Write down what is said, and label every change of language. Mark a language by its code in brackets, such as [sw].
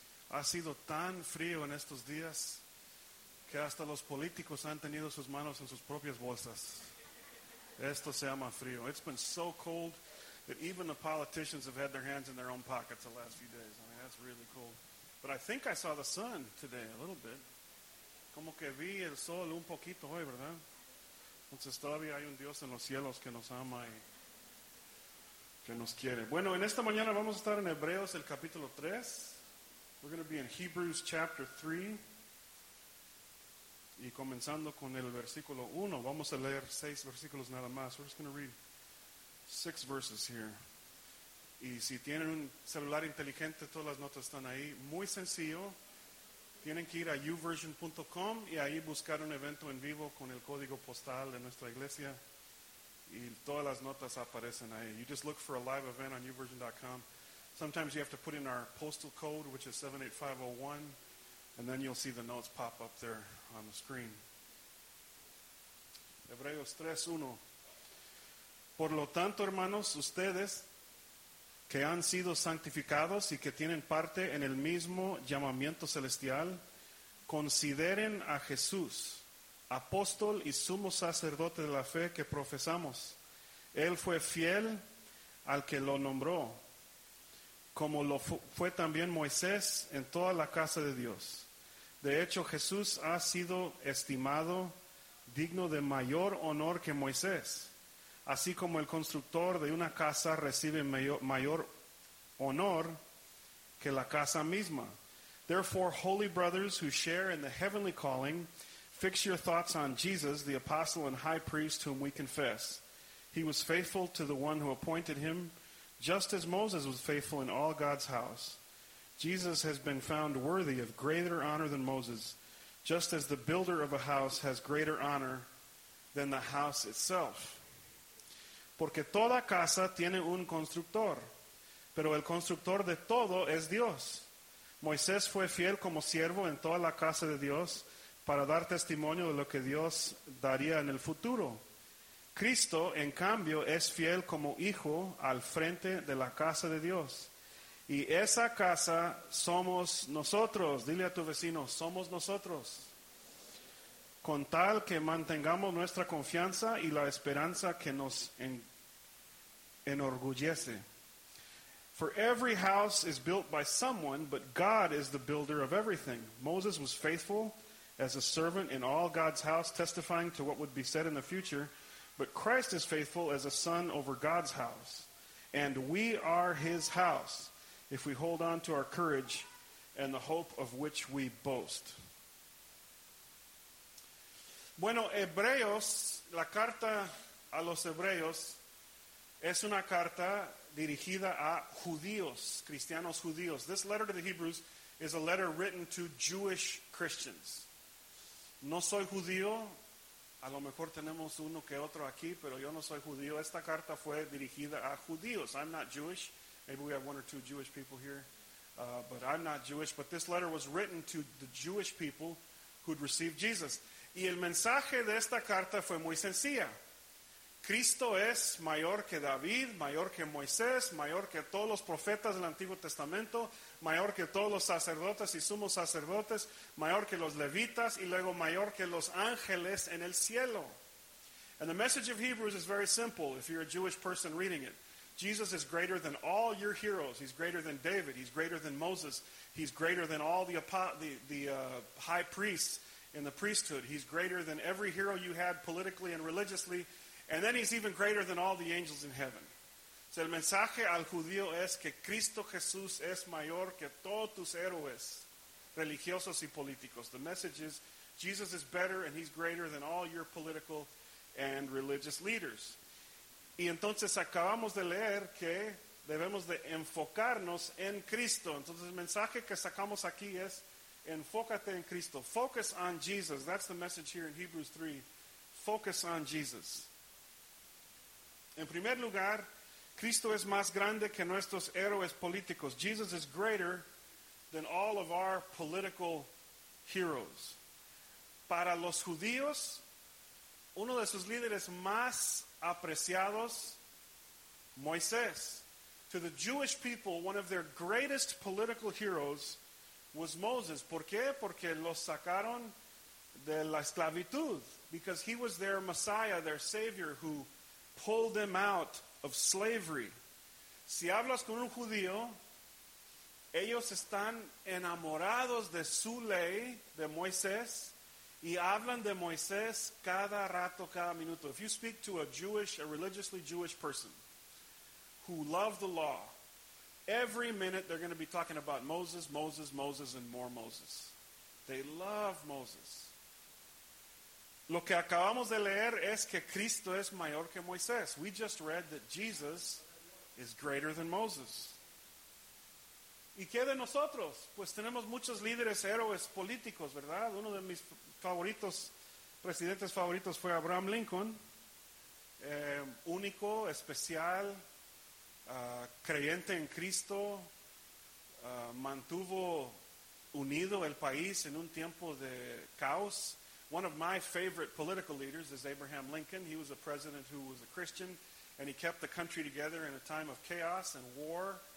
[es] Ha sido tan frío en estos días que hasta los políticos han tenido sus manos en sus propias bolsas. Esto se llama frío. [en] It's been so cold that even the politicians have had their hands in their own pockets the last few days. I mean, that's really cold. But I think I saw the sun today a little bit. [es] Como que vi el sol un poquito hoy, ¿verdad? Entonces todavía hay un Dios en los cielos que nos ama y que nos quiere. Bueno, en esta mañana vamos a estar en Hebreos, el capítulo 3. [en] We're going to be in Hebrews chapter 3. [es] Y comenzando con el versículo 1, vamos a leer 6 versículos nada más. [en] We're just going to read 6 verses here. [es] Y si tienen un celular inteligente, todas las notas están ahí. Muy sencillo. Tienen que ir a uversion.com y ahí buscar un evento en vivo con el código postal de nuestra iglesia. Y todas las notas aparecen ahí. [en] You just look for a live event on uversion.com. Sometimes you have to put in our postal code, which is 78501, and then you'll see the notes pop up there on the screen. [es] Hebreos 3:1. Por lo tanto, hermanos, ustedes que han sido santificados y que tienen parte en el mismo llamamiento celestial, consideren a Jesús, apóstol y sumo sacerdote de la fe que profesamos. Él fue fiel al que lo nombró, como lo fue también Moisés en toda la casa de Dios. De hecho, Jesús ha sido estimado digno de mayor honor que Moisés, así como el constructor de una casa recibe mayor honor que la casa misma. [en] Therefore, holy brothers who share in the heavenly calling, fix your thoughts on Jesus, the apostle and high priest whom we confess. He was faithful to the one who appointed him, just as Moses was faithful in all God's house. Jesus has been found worthy of greater honor than Moses, just as the builder of a house has greater honor than the house itself. [es] Porque toda casa tiene un constructor, pero el constructor de todo es Dios. Moisés fue fiel como siervo en toda la casa de Dios para dar testimonio de lo que Dios daría en el futuro. Cristo, en cambio, es fiel como hijo al frente de la casa de Dios. Y esa casa somos nosotros. Dile a tu vecino, somos nosotros. Con tal que mantengamos nuestra confianza y la esperanza que nos enorgullece. [en] For every house is built by someone, but God is the builder of everything. Moses was faithful as a servant in all God's house, testifying to what would be said in the future. But Christ is faithful as a son over God's house, and we are his house if we hold on to our courage and the hope of which we boast. [es] Bueno, Hebreos, la carta a los Hebreos, es una carta dirigida a judíos, cristianos judíos. [en] This letter to the Hebrews is a letter written to Jewish Christians. [es] No soy judío. A lo mejor tenemos uno que otro aquí, pero yo no soy judío. Esta carta fue dirigida a judíos. [en] I'm not Jewish. Maybe we have one or two Jewish people here. But I'm not Jewish. But this letter was written to the Jewish people who'd received Jesus. [es] Y el mensaje de esta carta fue muy sencilla. Cristo es mayor que David, mayor que Moisés, mayor que todos los profetas del Antiguo Testamento, mayor que todos los sacerdotes y sumos sacerdotes, mayor que los levitas, y luego mayor que los ángeles en el cielo. [en] And the message of Hebrews is very simple, if you're a Jewish person reading it. Jesus is greater than all your heroes. He's greater than David. He's greater than Moses. He's greater than all the high priests in the priesthood. He's greater than every hero you had politically and religiously. And then he's even greater than all the angels in heaven. [es] So el mensaje al judío es que Cristo Jesús es mayor que todos tus héroes religiosos y políticos. [en] The message is Jesus is better and he's greater than all your political and religious leaders. [es] Y entonces acabamos de leer que debemos de enfocarnos en Cristo. Entonces el mensaje que sacamos aquí es enfócate en Cristo. [en] Focus on Jesus. That's the message here in Hebrews 3. Focus on Jesus. [es] En primer lugar, Cristo es más grande que nuestros héroes políticos. [en] Jesus is greater than all of our political heroes. [es] Para los judíos, uno de sus líderes más apreciados, Moisés. [en] To the Jewish people, one of their greatest political heroes was Moses. [es] ¿Por qué? Porque los sacaron de la esclavitud. [en] Because he was their Messiah, their Savior, who pulled them out of slavery. [es] Si hablas con un judío, ellos están enamorados de su ley, de Moisés, y hablan de Moisés cada rato, cada minuto. [en] If you speak to a Jewish, a religiously Jewish person who loves the law, every minute they're going to be talking about Moses, Moses, Moses, and more Moses. They love Moses. [es] Lo que acabamos de leer es que Cristo es mayor que Moisés. [en] We just read that Jesus is greater than Moses. [es] ¿Y qué de nosotros? Pues tenemos muchos líderes héroes políticos, ¿verdad? Uno de mis favoritos, presidentes favoritos fue Abraham Lincoln. Único, especial, creyente en Cristo. Mantuvo unido el país en un tiempo de caos. [en] One of my favorite political leaders is Abraham Lincoln. He was a president who was a Christian, and he kept the country together in a time of chaos and war.